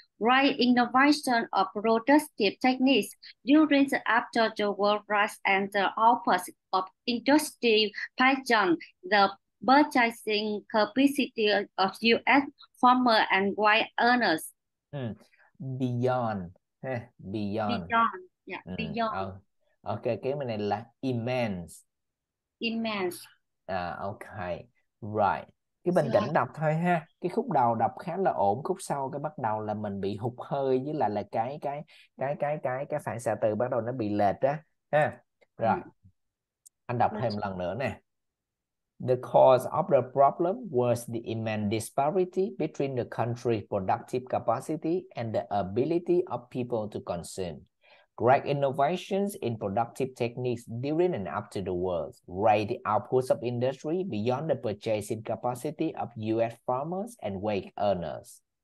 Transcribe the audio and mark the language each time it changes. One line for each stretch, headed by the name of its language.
English: Right innovation of productive techniques during the after the world rise and the output of industry pageant, the purchasing capacity of US farmer and white earners. Beyond. Beyond. Beyond. Yeah, beyond.
Vietnamese: Ok, cái bên này là immense.
English: Immense.
Vietnamese: À, ok, right. Cái bình Rồi. tĩnh đọc thôi ha. Cái khúc đầu đọc khá là ổn, khúc sau cái bắt đầu là mình bị hụt hơi với lại là cái phản xạ từ bắt đầu nó bị lệch á ha. Rồi. Anh đọc thêm lần nữa nè.
English: The cause of the problem was the immense disparity between the country's productive capacity and the ability of people to consume. Great innovations in productive techniques during and after the war raised the outputs of industry beyond the purchasing capacity of US farmers and wage earners.